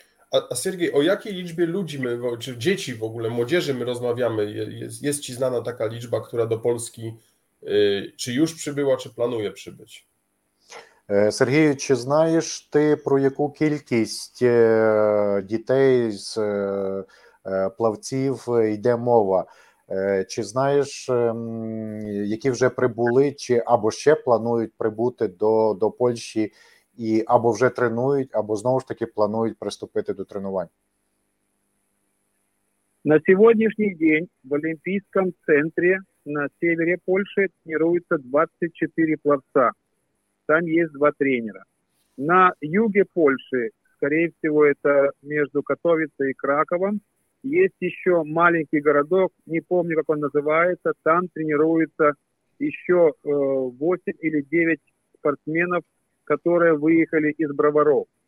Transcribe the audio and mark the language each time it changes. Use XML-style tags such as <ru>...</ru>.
<ru>А Сергей, о какой личбе людей мы, чи дети в</ru> <pl>ogóle,</pl> <ru>молодежи мы разговариваем? Есть ли знана такая личба, которая до Польски, чи уж прибыла, чи планує прибыть?</ru> <uk>Сергію, чи знаєш ти, про яку кількість дітей з плавців йде мова? Чи знаєш, які вже прибули, чи або ще планують прибути до Польщі, і або вже тренують, або знову ж таки планують приступити до тренувань? На сьогоднішній день в Олімпійському центрі на севері Польщі тренуються 24 плавця. Там є два тренера. На югі Польщі, скоріше всього,</uk> <ru>це між Катовицею і Краковом, есть еще маленький городок, не помню, как он называется, там тренируется еще 8 или 9 спортсменов, которые выехали из Броваров.</ru>